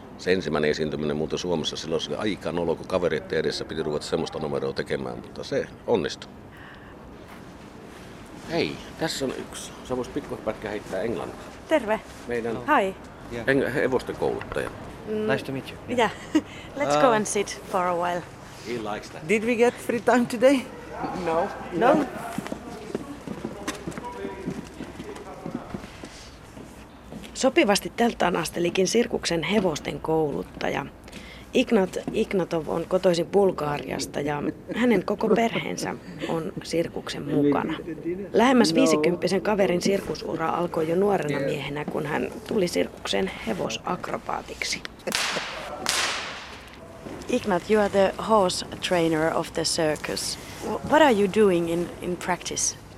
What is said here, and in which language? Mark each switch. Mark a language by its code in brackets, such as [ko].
[fi] Se ensimmäinen esiintyminen muuten Suomessa silloin oli aika nolo, kun kaverit edessä piti ruveta semmoista numeroa tekemään, mutta se onnistui. Hei, tässä on yksi. Sä vois pikkupätkä heittää englantia. Terve. Meidän hevosten kouluttaja. [en] Nice to meet you. Yeah. Let's go and sit for a while. He likes that. Did we get free time today? No. No? No. [fi] Sopivasti teltaan astelikin sirkuksen hevosten kouluttaja. Ignat Ignatov on kotoisin Bulgariasta ja hänen koko perheensä on sirkuksen mukana. Lähemmäs 50-vuotiaan kaverin sirkusura alkoi jo nuorena miehenä, kun hän tuli sirkuksen hevosakrobaatiksi. [en] Ignat, you are the horse trainer of the circus. What are you doing in practice?